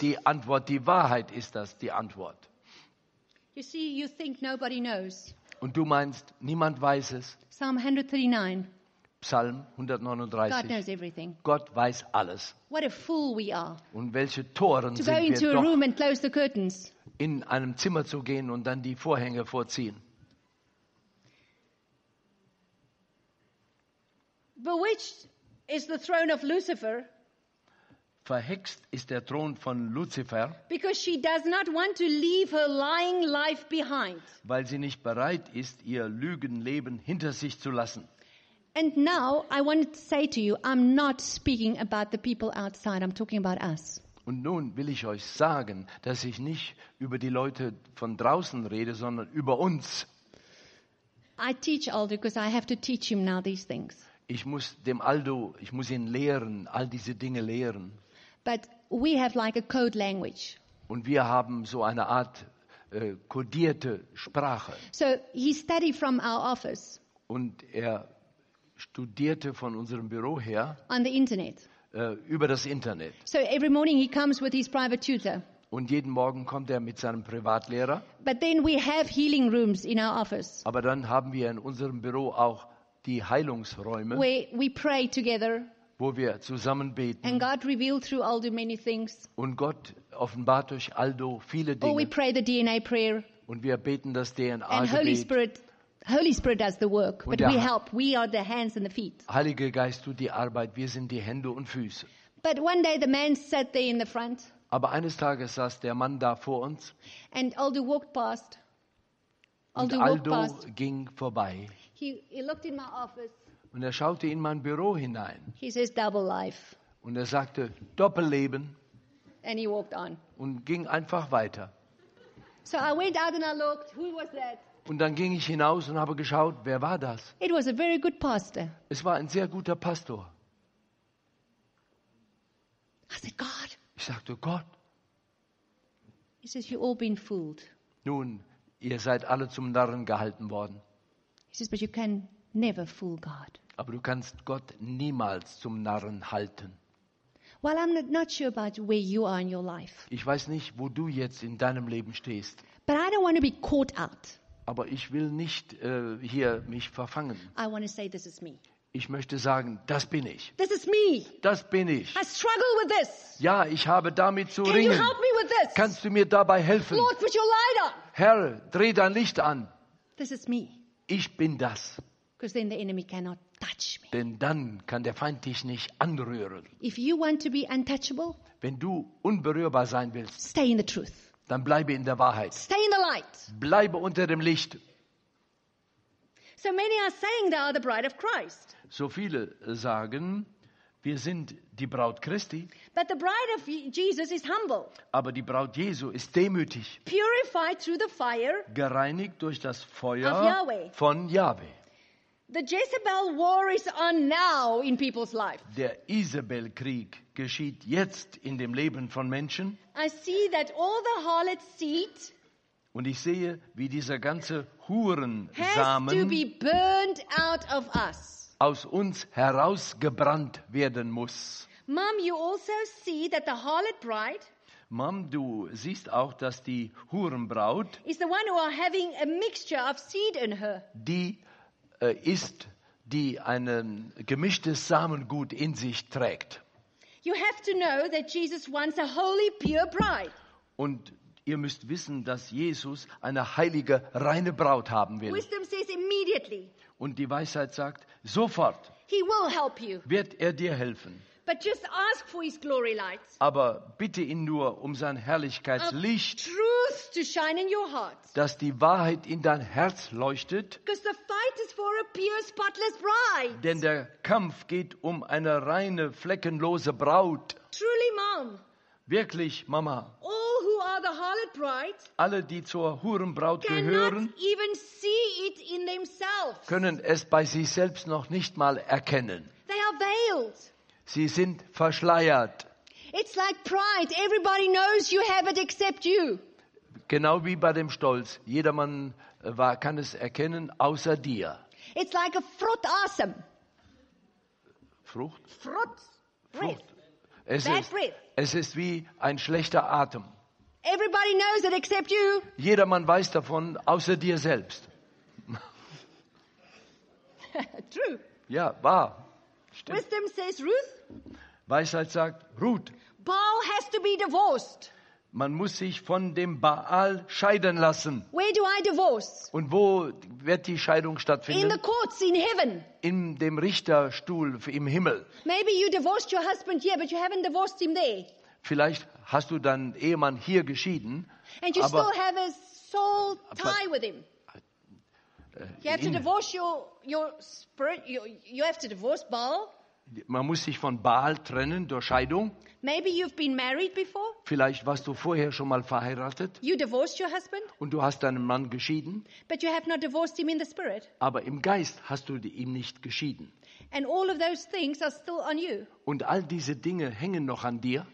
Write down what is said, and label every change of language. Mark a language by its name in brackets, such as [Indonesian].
[German] Die Antwort, die Wahrheit ist das, die Antwort. [English] You see, you think nobody knows. [German] Und du meinst, niemand weiß es. [English] Psalm 139. [German] Psalm 139. [English] God knows everything. [German] Gott weiß alles. [English] What a fool we are. [German] Und welche Toren [English] to go [German] sind [English] into [German] wir [English] a [German] doch. [English] Room and close the curtains. [German] In einem Zimmer zu gehen und dann die Vorhänge vorziehen. [English] Bewitched is the throne of Lucifer. [German] Verhext ist der Thron von Lucifer. [English] Because she does not want to leave her lying life behind. [German] Weil sie nicht bereit ist, ihr Lügenleben hinter sich zu lassen. [English] And now I want to say to you, I'm not speaking about the people outside. I'm talking about us. [German] Und nun will ich euch sagen, dass ich nicht über die Leute von draußen rede, sondern über uns. [English] I teach Aldo because I have to teach him now these things. [German] Ich muss ihn lehren, all diese Dinge lehren. [English] But we have like a code language. [German] Und wir haben so eine Art kodierte Sprache. [English] So he studied from our office. [German] Und er studierte von unserem Büro her. [English] On the internet. [German] Über das Internet. [English] So every morning he comes with his private tutor. [German] Und jeden Morgen kommt er mit seinem Privatlehrer. [English] But then we have healing rooms in our office. [German] Aber dann haben wir in unserem Büro auch die Heilungsräume. [English] Where we pray together. [German] Wo wir zusammen beten. [English] And God revealed through Aldo many things. [German] Und Gott offenbart durch Aldo viele Dinge. [English] Or we pray the DNA prayer. [German] Und wir beten das DNA-Gebet. [English] And Holy Spirit does the work, but we help. We are the hands and the feet. [German] Heiliger Geist tut die Arbeit. Wir sind die Hände und Füße. [English] But one day the man sat there in the front. [German] Aber eines Tages saß der Mann da vor uns. [English] And Aldo walked past. [German] Aldo ging vorbei. [English] He looked in my office. [German] Und er schaute in mein Büro hinein. [English] He says double life. [German] Und er sagte Doppelleben. [English] And he walked on. [German] Und ging einfach weiter. [English] So I went out and I looked. Who was that? [German] Und dann ging ich hinaus und habe geschaut, wer war das? [English] It was a very good pastor. [German] Es war ein sehr guter Pastor. [English] I said, God. [German] Ich sagte, Gott. [English] He says, you've all been fooled. [German] Nun, ihr seid alle zum Narren gehalten worden. [English] He says, but you can never fool God. [German] Aber du kannst Gott niemals zum Narren halten. [English] Well, I'm not sure about where you are in your life. [German] Ich weiß nicht, wo du jetzt in deinem Leben stehst. [English] But I don't want to be caught out. [German] Aber ich will nicht hier mich verfangen. [English] I want to say, this is me. [German] Ich möchte sagen, das bin ich. [English] This is me. [German] Das bin ich. [English] I struggle with this. [German] Ja, ich habe damit zu [English] Can [German] ringen. [English] You help me with this? [German] Kannst du mir dabei helfen? [English] Lord, put your light on. [German] Herr, dreh dein Licht an. [English] This is me. [German] Ich bin das. [English] Because then the enemy cannot touch me. [German] Denn dann kann der Feind dich nicht anrühren. [English] If you want to be untouchable, [German] wenn du unberührbar sein willst, [English] stay in the truth. [German] Dann bleibe in der Wahrheit. [English] Stay in the light. [German] Bleibe unter dem Licht. [English] So many are saying they are the bride of Christ. [German] So viele sagen, wir sind die Braut Christi. [English] But the bride of Jesus is humble. [German] Aber die Braut Jesu ist demütig. [English] Purified through the fire. [German] Gereinigt durch das Feuer [English] of Yahweh. [German] Von Yahweh. [English] The Jezebel war is on now in people's life. [German] Der Isabel-Krieg geschieht jetzt in dem Leben von Menschen. [English] I see that all the harlot seed. [German] Und ich sehe, wie dieser ganze Hurensamen [English] has to be burned out of us. [German] Aus uns herausgebrannt werden muss. [English] Mom, you also see that the harlot bride. [German] Mom, du siehst auch, dass die Hurenbraut [English] is the one who are having a mixture of seed in her. [German] Die ist, die ein gemischtes Samengut in sich trägt. [English] You have to know that Jesus wants a holy, pure bride. [German] Und ihr müsst wissen, dass Jesus eine heilige, reine Braut haben will. [English] Wisdom says immediately. [German] Und die Weisheit sagt, sofort [English] He will help you. [German] Wird er dir helfen. [English] But just ask for his glory light. [German] Aber bitte ihn nur um sein Herrlichkeitslicht. [English] Of truth to shine in your heart. [German] Dass die Wahrheit in dein Herz leuchtet. [English] Because the fight is for a pure, spotless bride. [German] Denn der Kampf geht um eine reine, fleckenlose Braut. [English] Truly, Mom. [German] Wirklich, Mama. [English] All who are the harlot bride. [German] Alle, die zur Hurenbraut gehören, [English] cannot even see it in themselves. [German] Können es bei sich selbst noch nicht mal erkennen. [English] They are veiled. [German] Sie sind verschleiert. [English] It's like pride. Everybody knows you have it except you. [German] Genau wie bei dem Stolz. Jedermann kann es erkennen, außer dir. [English] It's like a fruit awesome. [German] Frucht? Frucht. Frucht. [English] Bad breath. [German] Es ist wie ein schlechter Atem. [English] Everybody knows it except you. [German] Jedermann weiß davon, außer dir selbst. [English] True. [German] Ja, wahr. Stimmt. [English] Wisdom says Ruth. [German] Weisheit sagt Ruth. [English] Baal has to be divorced. [German] Man muss sich von dem Baal scheiden lassen. [English] Where do I divorce? [German] Und wo wird die Scheidung stattfinden? [English] In the courts in heaven. [German] In dem Richterstuhl im Himmel. [English] Maybe you divorced your husband here, but you haven't divorced him there. [German] Vielleicht hast du deinen Ehemann hier geschieden. [English] And you still have a soul tie with him. You have to divorce your spirit. You have to divorce Baal. [German] Man muss sich von Baal trennen durch Scheidung. [English] Maybe you've been married before. [German] Vielleicht warst du vorher schon mal verheiratet. [English] You divorced your husband. [German] Und du hast deinen Mann geschieden. [English] But you have not divorced him in the spirit. [German] Aber im Geist hast du ihn nicht geschieden. [English] And all of those things are still on you. [German] Und all diese Dinge hängen noch an dir.